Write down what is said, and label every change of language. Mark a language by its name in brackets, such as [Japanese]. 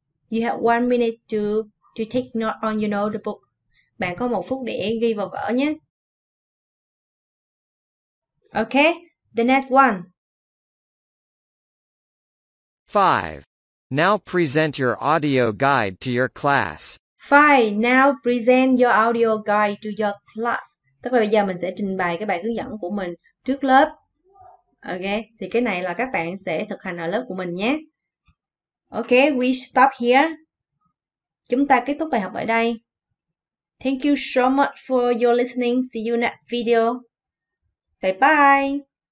[English] You have 1 minute to take note on your notebook. [Vietnamese] Bạn có một phút để ghi vào vở nhé. [English] Okay, the next one. 5. Now present your audio guide to your class. 5. Now present your audio guide to your class. [Vietnamese] Tức là bây giờ mình sẽ trình bày cái bài hướng dẫn của mình trước lớp. Ok, thì cái này là các bạn sẽ thực hành ở lớp của mình nhé. [English] Ok, we stop here. [Vietnamese] Chúng ta kết thúc bài học ở đây. [English] Thank you so much for your listening. See you next video. Bye bye.